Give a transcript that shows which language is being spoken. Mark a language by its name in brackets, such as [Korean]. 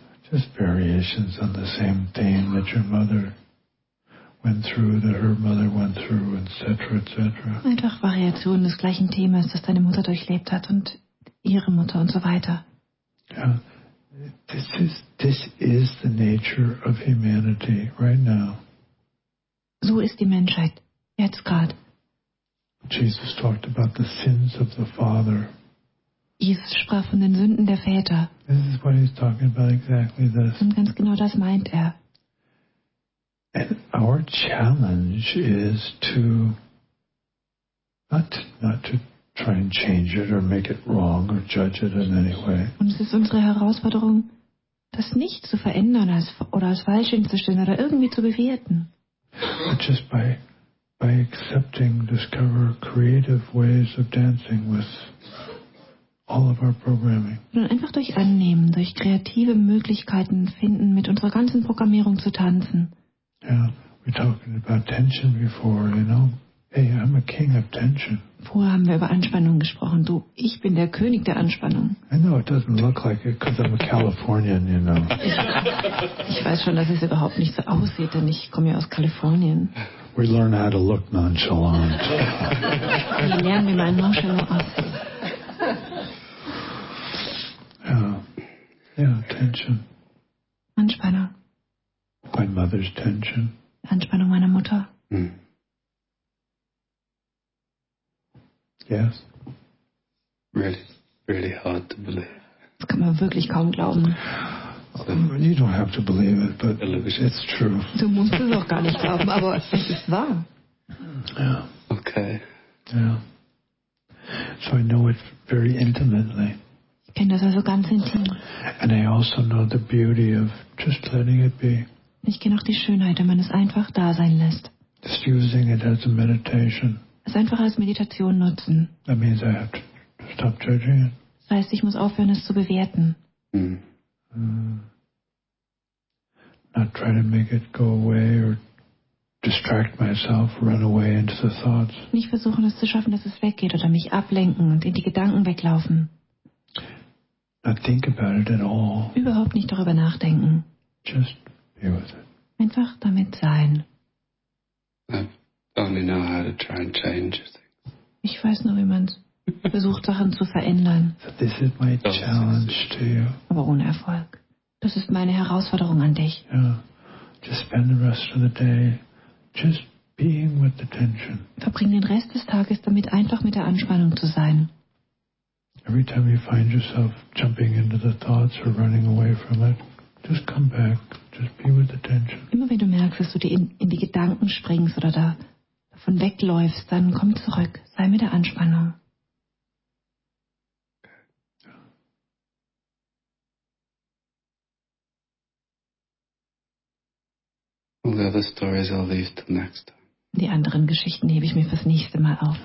[English] Just variations on the same theme that your mother went through, that her mother went through, etc., etc. [German] Einfach Variationen des gleichen Themas, das deine Mutter durchlebt hat und ihre Mutter und so weiter. [English] Ja, this is the nature of humanity right now. [German] So ist die Menschheit jetzt gerade. [English] Jesus talked about the sins of the father. [German] Jesus sprach von den Sünden der Väter. [English] This is what he's talking about, exactly this. [German] Und ganz genau das meint er. [English] And our challenge is to not to try and change it or make it wrong or judge it in any way. [German] Und es ist unsere Herausforderung, das nicht zu verändern oder als falsch hinzustellen oder irgendwie zu bewerten. [English] But just by accepting, discover creative ways of dancing with all of our programming. [German] Und einfach durch annehmen, durch kreative Möglichkeiten finden, mit unserer ganzen Programmierung zu tanzen. [English] Yeah, we talked about tension before, you know. Hey, I'm a king of tension. [German] Vorher haben wir über Anspannung gesprochen. Du, ich bin der König der Anspannung. [English] I know it doesn't look like it because I'm a Californian, you know. [German] Ich weiß schon, dass es überhaupt nicht so aussieht, denn ich komme ja aus Kalifornien. [English] We learn how to look nonchalant. [German] Wir lernen, wie man nonchalant aussieht. [English] Yeah, tension. [German] Anspannung. [English] My mother's tension. [German] Anspannung meiner Mutter. Mm. [English] Yes. Really, really hard to believe. [German] Das kann man wirklich kaum glauben. [English] You don't have to believe it, but it's true. [German] Du musst es auch gar nicht glauben, aber es ist wahr. [English] Yeah. Okay. Yeah. So I know it very intimately. [German] Ich kenne das also ganz intim. [English] And I also know the beauty of just letting it be. [German] Ich kenne auch die Schönheit, wenn man es einfach da sein lässt. [English] Just using it as a meditation. [German] Es einfach als Meditation nutzen. [English] That means I have to stop judging it. [German] Das heißt, ich muss aufhören, es zu bewerten. [English] Not try to make it go away or distract myself, run away into the thoughts. [German] Nicht versuchen, es zu schaffen, dass es weggeht oder mich ablenken und in die Gedanken weglaufen. [English] Not think about it at all. [German] Überhaupt nicht darüber nachdenken. [English] Just be with it. [German] Einfach damit sein. [English] I only know how to try and change things. [German] Ich weiß nur, wie man versucht, Sachen zu verändern. [English] So this is my challenge to you. [German] Aber ohne Erfolg. Das ist meine Herausforderung an dich. [English] Yeah. Just spend the rest of the day just being with the tension. [German] Verbring den Rest des Tages damit, einfach mit der Anspannung zu sein. [English] Every time you find yourself jumping into the thoughts or running away from it, just come back. Just be with the tension. [German] Immer wenn du merkst, dass du dir in die Gedanken springst oder da davon wegläufst, dann komm zurück. Sei mit der Anspannung. [English] All the other stories I'll leave till next time. [German] Die anderen Geschichten hebe ich mir fürs nächste Mal auf.